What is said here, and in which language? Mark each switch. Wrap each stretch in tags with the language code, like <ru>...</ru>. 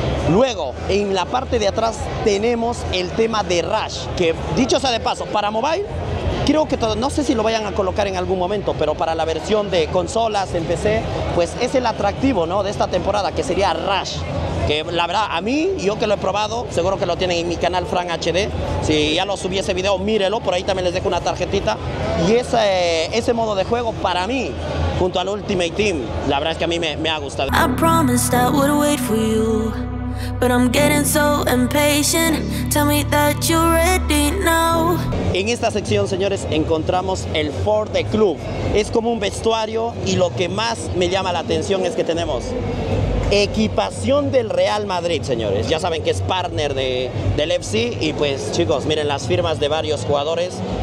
<es>Luego, en la parte de atrás tenemos el tema de Rush, que dicho sea de paso, para mobile, creo que todo, no sé si lo vayan a colocar en algún momento, pero para la versión de consolas, en PC, pues es el atractivo, ¿no? De esta temporada, que sería Rush. Que la verdad, a mí, yo que lo he probado, seguro que lo tienen en mi canal Fran HD. Si ya lo subí ese video, mírelo, por ahí también les dejo una tarjetita. Y ese modo de juego, para mí, junto al Ultimate Team, la verdad es que a mí me ha gustado.</es> <en>I promised I would wait for you, but I'm getting so impatient. Tell me that you're ready now.</en> <es>En esta sección, señores, encontramos el Forte Club. Es como un vestuario y lo que más me llama la atención es que tenemos equipación del Real Madrid, señores. Ya saben que es partner del FC. Y pues, chicos, miren las firmas de varios jugadores.</es>